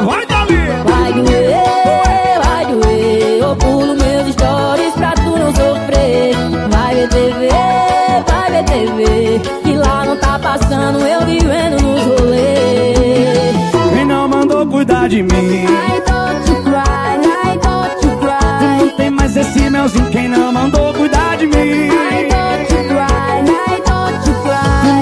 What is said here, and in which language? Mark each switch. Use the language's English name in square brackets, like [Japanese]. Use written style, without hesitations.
[Portuguese] Vai, Talita! Vai doer, vai doer. Eu pulo meus stories pra tu não sofrer. Vai ver TV, vai ver TV, que lá não tá passando eu vivendo nos rolês. Quem não mandou cuidar de mim? [English] Ai, don't you cry, ai, don't you cry. [Portuguese] Não tem mais esse melzinho, quem não mandou cuidar de mim? [English] Ai, don't you cry, ai, don't you cry.